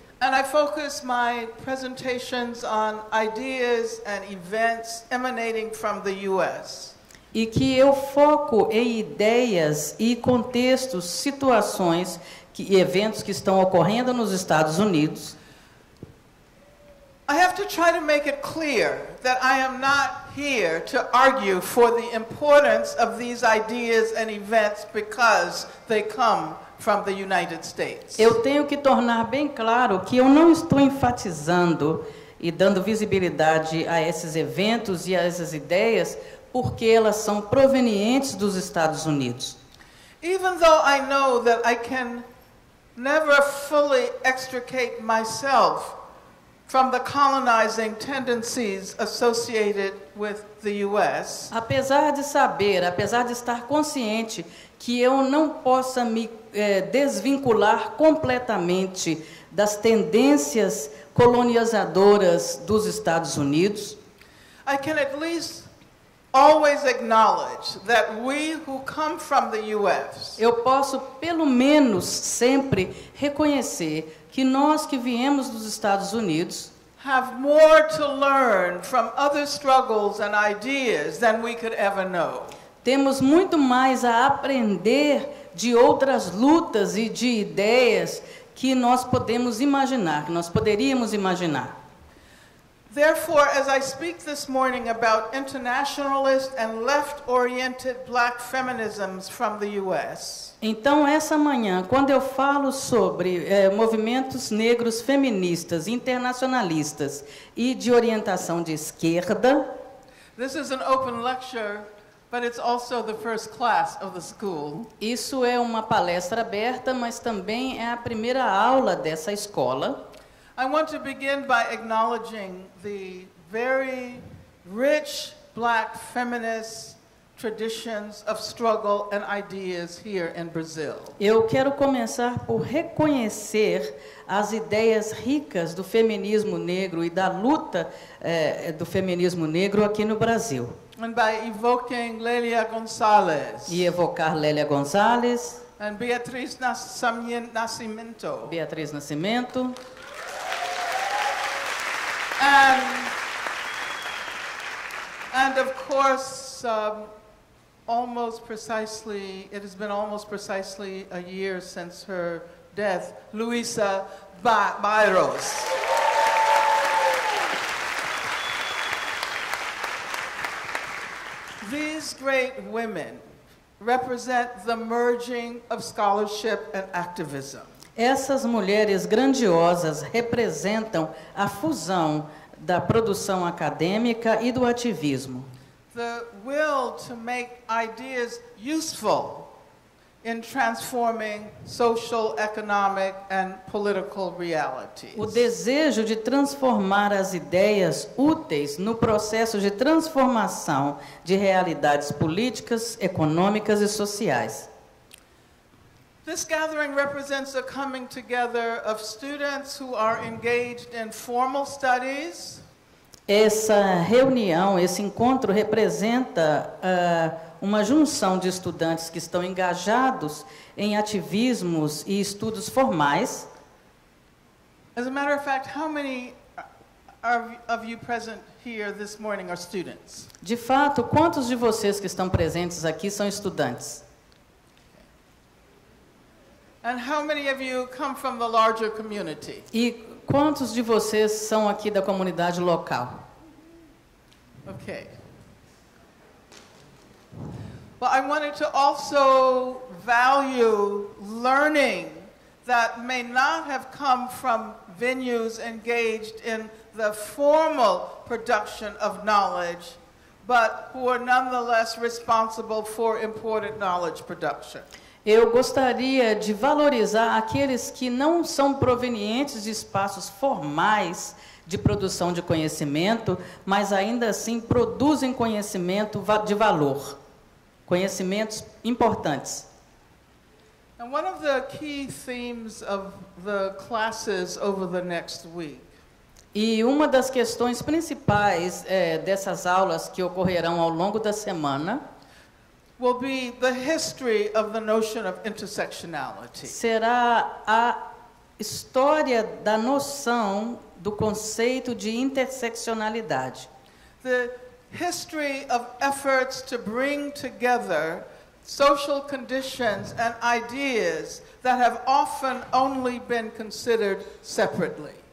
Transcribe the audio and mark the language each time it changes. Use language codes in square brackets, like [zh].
[en] and I focus my presentations on ideas and events emanating from the US, [pt] e que eu foco em ideias e contextos, situações e eventos que estão ocorrendo nos Estados Unidos, [en] I have to try to make it clear that I am not here to argue for the importance of these ideas and events because they come from the United States. [pt] Eu tenho que tornar bem claro que eu não estou enfatizando e dando visibilidade a esses eventos e a essas ideias porque elas são provenientes dos Estados Unidos. [en] Even though I know that I can never fully extricate myself from the colonizing tendencies associated with the US. [pt] Apesar de saber, apesar de estar consciente que eu não possa me desvincular completamente das tendências colonizadoras dos Estados Unidos, [en] I can at least always acknowledge that we who come from the US, [pt] eu posso pelo menos sempre reconhecer que nós que viemos dos Estados Unidos [en] have more to learn from other struggles and ideas than we could ever know. [pt] Temos muito mais a aprender de outras lutas e de ideias que nós podemos imaginar, que nós poderíamos imaginar. [en] Therefore, as I speak this morning about internationalist and left-oriented black feminisms from the US. [pt] Então, essa manhã, quando eu falo sobre movimentos negros feministas, internacionalistas e de orientação de esquerda, [en] this is an open lecture, but it's also the first class of the school. [pt] Isso é uma palestra aberta, mas também é a primeira aula dessa escola. [en] I want to begin by acknowledging the very rich black feminist traditions of struggle and ideas here in Brazil. [pt] Eu quero começar por reconhecer as ideias ricas do feminismo negro e da luta do feminismo negro aqui no Brasil. [en] And by evoking Lélia Gonzalez. [pt] E evocar Lélia Gonzalez. [en] And Beatriz Nascimento. [pt] Beatriz Nascimento. [en] And And of course, almost precisely, it has been almost precisely a year since her death, Luisa Byros. These great women represent the merging of scholarship and activism. [pt] Essas mulheres grandiosas representam a fusão da produção acadêmica e do ativismo. [en] The will to make ideas useful in transforming social, economic, and political realities. [pt] O desejo de transformar as ideias úteis no processo de transformação de realidades políticas, econômicas e sociais. [en] This gathering represents a coming together of students who are engaged in formal studies. [pt] Essa reunião, esse encontro representa uma junção de estudantes que estão engajados em ativismos e estudos formais. [en] As a matter of fact, how many are of you present here this morning are students? [pt] De fato, quantos de vocês que estão presentes aqui são estudantes? [en] And how many of you come from the larger community? [pt] E quantos de vocês são aqui da comunidade local? [en] Okay. Well, I wanted to also value learning that may not have come from venues engaged in the formal production of knowledge, but who are nonetheless responsible for important knowledge production. [pt] Eu gostaria de valorizar aqueles que não são provenientes de espaços formais de produção de conhecimento, mas ainda assim produzem conhecimento de valor, conhecimentos importantes. [en] And one of the key themes of the classes over the next week. [pt] E uma das questões principais dessas aulas que ocorrerão ao longo da semana [en] will be the history of the notion of intersectionality. [pt] Será a história da noção do conceito de interseccionalidade. [en] The history of efforts to bring together social conditions and ideas that have often only been considered separately.